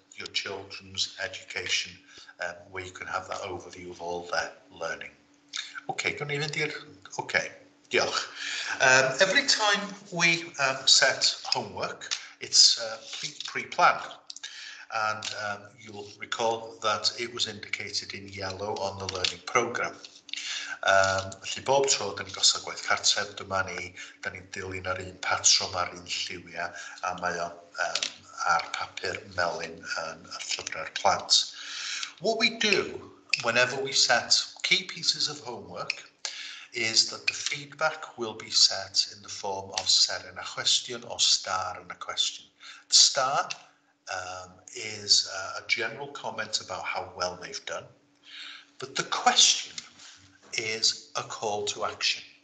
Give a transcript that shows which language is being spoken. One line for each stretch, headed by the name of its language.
English: your children's education, where you can have that overview of all their learning. Okay,
Welsh: gwn I fynd i'r...
English: Okay, diolch. Every time we set homework, it's pre-planned. And you'll recall that it was indicated in yellow on the learning programme.
Welsh: Felly bob tro, dyn ni'n gosod gwaith cartref, dyma ni, dyn ni'n dilyn ar un patrwm ar un lliwiau, a mae o ar papur melyn yn y llyfrau'r plant.
English: What we do whenever we set key pieces of homework is that the feedback will be set in the form of set in a question or star in a question. The star is a general comment about how well they've done, but the question is a call to action.